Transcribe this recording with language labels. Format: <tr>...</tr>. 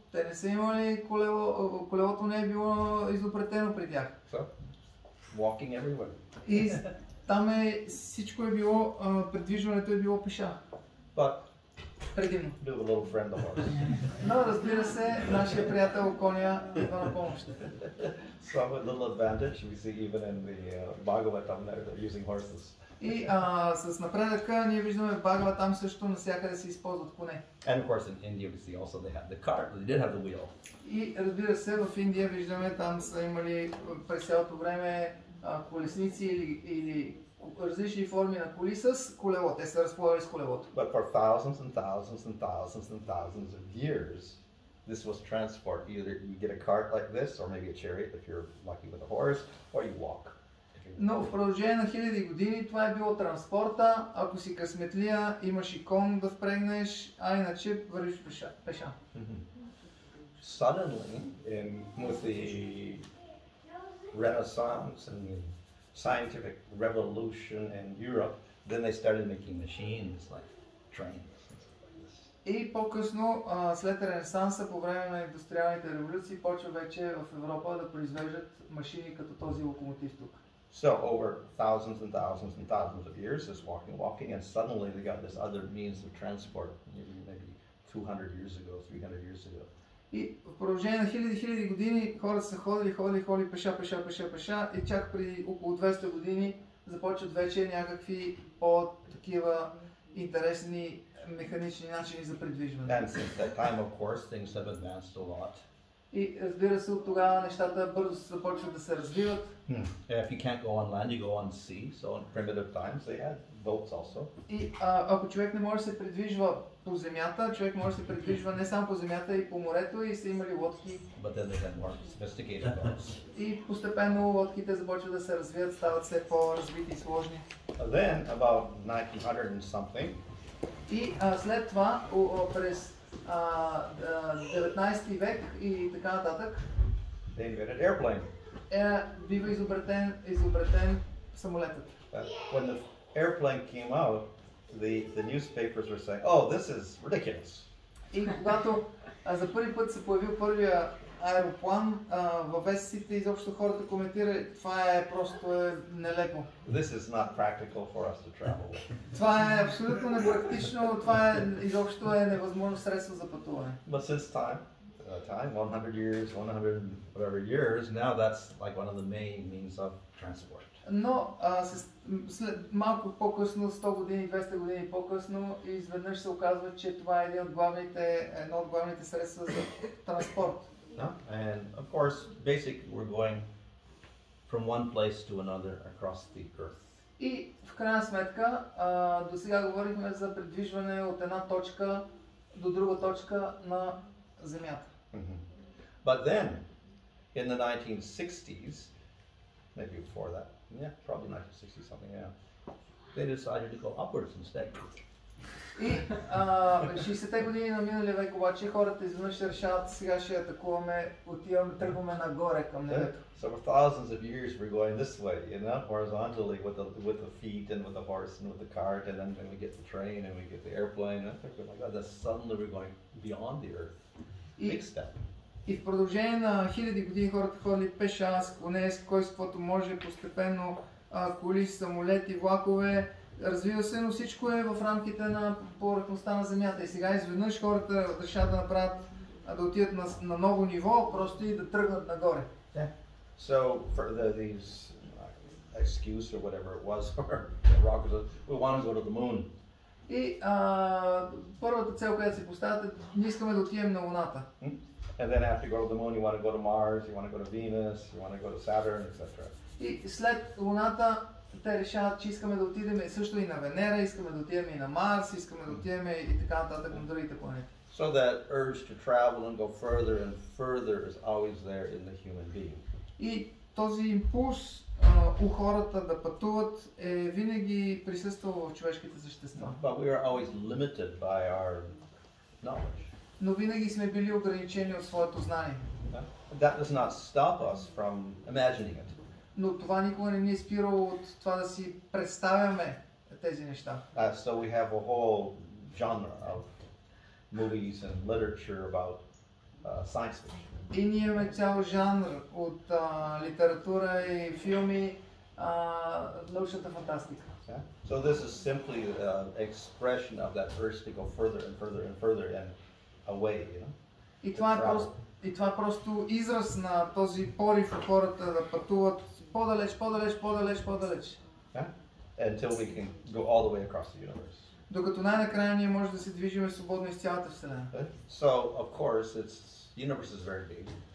<bg>Те не са имали колело, колелото не е било изобретено при тях.</bg> <en>So, walking everywhere.</en> <bg>И там е, всичко е било, придвижването е било пеша.</bg> <en>But</en> <bg>предимно.</bg> <en>Do a little friend of ours.</en> <bg>Но разбира се, нашия приятел коня идва на помощ.</bg> <en>So a little advantage we see even in the Bhagavatam there, they're using horses.</en> <bg>И с напредъка ние виждаме Бхагава там също навсякъде се използват коне.</bg> <en>And of course in India we see also they have the cart, but they did have the wheel.</en> <bg>И разбира се, в Индия виждаме там са имали през цялото време колесници или различни форми на коли с колело. Те са разполагали с колелото.</bg> <en>But for thousands and thousands and thousands and thousands of years, this was transport. Either you get a cart like this, or maybe a chariot if you're lucky with a horse, or you walk.</en> <bg>Но в продължение на хиляди години това е било транспорта. Ако си късметлия, имаш и кон да впрегнеш, а иначе вървиш пеша.</bg> <en>Suddenly, in with the Renaissance and scientific revolution in Europe, then they started making machines like trains.</en> <bg>И по-късно, след Ренесанса, по време на индустриалните революции, почва вече в Европа да произвеждат машини като този локомотив тук.</bg> <en>So over thousands and thousands and thousands of years, this walking, and suddenly they got this other means of transport, maybe 200 years ago, 300 years ago.</en> <bg>И в продължение на хиляди години хората са ходили пеша и чак при около 200 години започват вече някакви по-такива интересни механични начини за придвижване.</bg> <en>And since that time, of course, things have advanced a lot.</en> <bg>И разбира се, от тогава нещата бързо започват да се развиват.</bg> <en>If you can't go on land, you go on sea. So in primitive times, they had boats also.</en> <bg>И ако човек не може да се придвижва по земята, човек може да се придвижва не само по земята, и по морето, и са имали лодки.</bg> <en>But then they had more sophisticated boats.</en> <bg>И постепенно лодките започват да се развиват, стават все по-развити и сложни.</bg> <en>Then, about 1900 and something.</en> <bg>И след това, през 19 век и така нататък,</bg> <en>they invented airplane.</en> <bg>Бива изобретен самолетът.</bg> <en>When the airplane came out, the newspapers were saying, oh, this is ridiculous.</en> <bg>И когато за първи път се появил първия аероплан, във вестите изобщо хората коментирали, това е просто нелепо.</bg> <en>This is not practical for us to travel.</en> <bg>Това е абсолютно непрактично, това е изобщо е невъзможно средство за пътуване.</bg> <en>But since time, 100 years, 100 whatever years, now that's like one of the main means of transport.</en> <bg>Но след малко по-късно, 100 години, 200 години по-късно, изведнъж се оказва, че това е едно от главните средства за транспорт.</bg> <en>And of course, basically we're going from one place to another across the earth.</en> <bg>И в крайна сметка, до сега говорихме за придвижване от една точка до друга точка на Земята.</bg> <en>But then, in the 1960s, maybe before that, yeah, probably 1960 something, yeah, they decided to go upwards instead.</en> <bg>И 60-те години на миналия век обаче хората изведнъж решават, сега ще атакуваме, отиваме, тръгваме нагоре към небето.</bg> <en>So for thousands of years we're going this way, you know, horizontally with the feet and with the horse and with the cart, and then we get the train and we get the airplane, and think, oh my God, then suddenly we're going beyond the earth. Big step.</en> <bg>И в продължение на хиляди години хората ходили пеша, с коне, с кой с каквото може, постепенно коли, самолети, влакове. Развива се, но всичко е в рамките на повърхността на Земята. И сега изведнъж хората решат да направят, да отидат на, на ново ниво, просто и да тръгнат нагоре.</bg> <en>Yeah. So for the, these excuse or whatever it was, or rockets, we want to go to the moon.</en> <bg>И първата цел, която си поставят, ние искаме да отидем на Луната.</bg> <en>And then after you go to the moon, you want to go to Mars, you want to go to Venus, you want to go to Saturn, etc.</en> <bg>И след Луната, те решават, че искаме да отидем също и на Венера, искаме да отидем и на Марс, искаме да отидем и така нататък на другите планети.</bg> <en>So that urge to travel and go further and further is always there in the human being.</en> <bg>И този импулс у хората да пътуват е винаги присъствал в човешките същества.</bg> <en>But we are always limited by our knowledge.</en> <bg>Но винаги сме били ограничени от своето знание.</bg> <en>That does not stop us from imagining it.</en> <bg>Но това никога не ни е спирало от това да си представяме тези неща.</bg> <en>So we have a whole genre of movies and literature about science fiction.</en> <bg>И ние имаме цял жанр от литература и филми, научната фантастика.</bg> <en>Yeah. So this is simply an expression of that urge to go further and further and further and away, you know?</en> <bg>И това е просто, израз на този порив от хората да пътуват по-далеч, по-далеч, по-далеч, по-далеч.</bg> <en>Yeah? Until we can go all the way across the universe.</en> <bg>Докато най-накрая ние може да се движиме свободно из цялата Вселена.</bg> <en>Okay? So, of course, it's, universe is very big.</en>